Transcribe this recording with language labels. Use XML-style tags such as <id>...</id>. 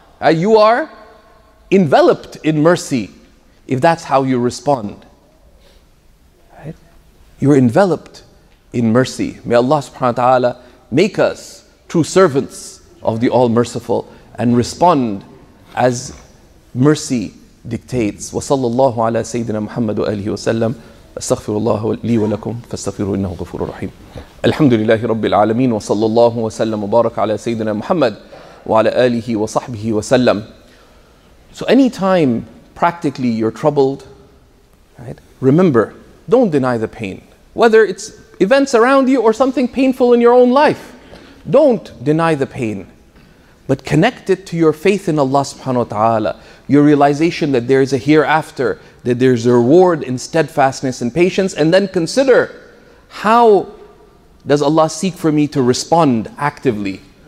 <en>You are enveloped in mercy if that's how you respond. Right? You're enveloped in mercy. May Allah subhanahu wa ta'ala make us true servants of the All-Merciful and respond as mercy dictates.</en> <ar>Wa sallallahu ala sayyidina Muhammad wa alihi wa sallam. أستغفر الله لي ولكم فاستغفروا إنه غفور رحيم الحمد لله رب العالمين وصلى الله وسلم وبارك على سيدنا محمد وعلى آله وصحبه وسلم.</ar> <en>So anytime practically you're troubled, right, remember, don't deny the pain. Whether it's events around you or something painful in your own life, don't deny the pain. But connect it to your faith in Allah subhanahu wa ta'ala, your realization that there is a hereafter, that there's a reward in steadfastness and patience, and then consider, how does Allah seek for me to respond actively?</en>